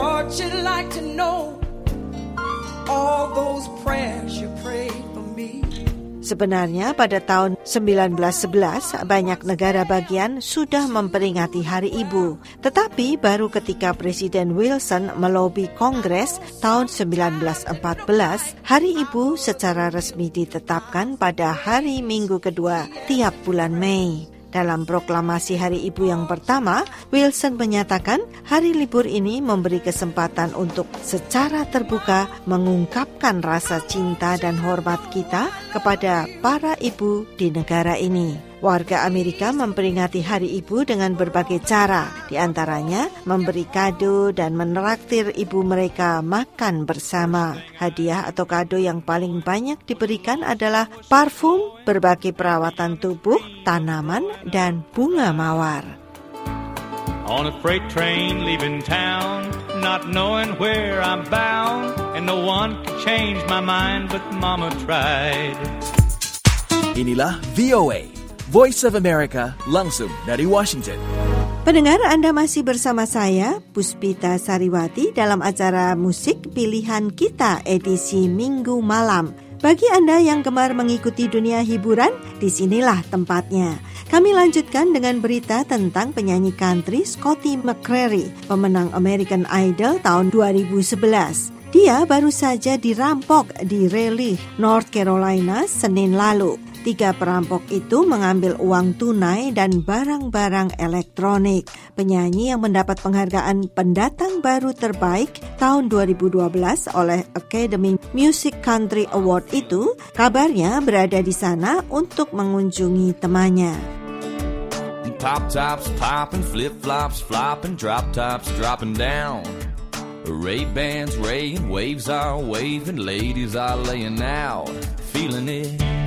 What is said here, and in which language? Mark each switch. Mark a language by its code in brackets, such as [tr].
[en] You'd like to know all those prayers you prayed for me. [id] Sebenarnya pada tahun 1911 banyak negara bagian sudah memperingati Hari Ibu. Tetapi baru ketika Presiden Wilson melobi Kongres tahun 1914, Hari Ibu secara resmi ditetapkan pada hari Minggu kedua tiap bulan Mei. Dalam proklamasi Hari Ibu yang pertama, Wilson menyatakan hari libur ini memberi kesempatan untuk secara terbuka mengungkapkan rasa cinta dan hormat kita kepada para ibu di negara ini. Warga Amerika memperingati Hari Ibu dengan berbagai cara, di antaranya memberi kado dan menraktir ibu mereka makan bersama. Hadiah atau kado yang paling banyak diberikan adalah parfum, berbagai perawatan tubuh, tanaman, dan bunga mawar. [en] On a freight train leaving town, not knowing where I'm bound, and no one could change my mind but mama tried. [id] Inilah VOA Voice of America, langsung dari Washington. Pendengar, Anda masih bersama saya, Puspita Sariwati, dalam acara Musik Pilihan Kita edisi Minggu Malam. Bagi Anda yang gemar mengikuti dunia hiburan, disinilah tempatnya. Kami lanjutkan dengan berita tentang penyanyi country Scotty McCreery, pemenang American Idol tahun 2011. Dia baru saja dirampok di Raleigh, North Carolina, Senin lalu. Tiga perampok itu mengambil uang tunai dan barang-barang elektronik. Penyanyi yang mendapat penghargaan pendatang baru terbaik tahun 2012 oleh Academy Music Country Award itu kabarnya berada di sana untuk mengunjungi temannya. [en] Pop tops, popping flip flops, flopping drop tops, dropping down. Ray-Bans, raying waves are waving, ladies are laying out, feeling it.